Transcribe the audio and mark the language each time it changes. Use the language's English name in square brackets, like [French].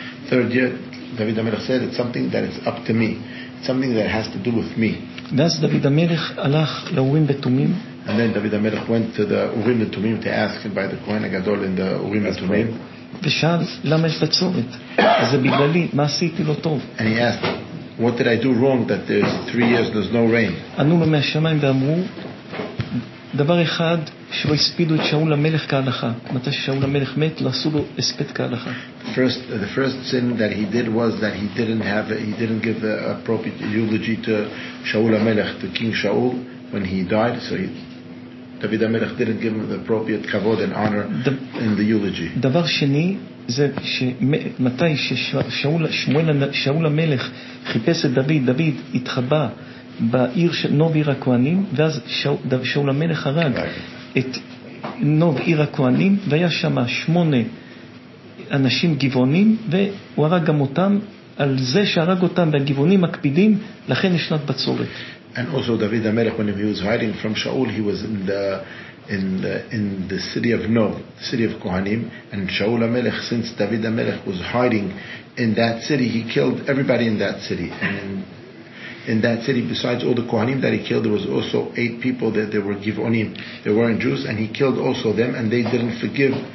[English] Third year, David HaMelech said, it's something that is up to me. It's something that has to do with me. [Hebrew] ואז דוד המלך הלך לאורים ותומים. [English] And then David HaMelech went to the Urim and Tumim to ask by the Kohen HaGadol in the Urim and Tumim. [Hebrew] ושאל, למה יש בצורת? זה בגללי, מה עשיתי לא טוב? [English] And he asked, what did I do wrong that there's 3 years and there's no rain? [Hebrew] ענו לו מהשמיים ואמרו, דבר אחד, שלא הספידו את שאול המלך כהלכה. מתי ששאול המלך מת, לא עשו לו הספד כהלכה. [English] The first sin that he did was that he didn't give the appropriate eulogy to Shaul HaMelech, to King Shaul, when he died. So David HaMelech didn't give him the appropriate kavod and honor in the eulogy. [Hebrew] דבר שני, זה שמתי ששאול המלך חיפש את דוד, דוד התחבא בעיר נוב עיר הכהנים, ואז שאול המלך הרג את נוב עיר הכהנים, והיה שם 8 אנשים גבעונים, והוא הרג גם אותם. על זה שהרג אותם והגבעונים מקפידים, לכן ישנת בצורת. [English] And also David HaMelech, when he was hiding from Shaul, he was in the city of Nob, the city of Kohanim, and Shaul HaMelech, since David HaMelech was hiding in that city, he killed everybody in that city. And in that city, besides all the Kohanim that he killed, there was also 8 people that they were Givonim. They weren't Jews, and he killed also them, and they didn't forgive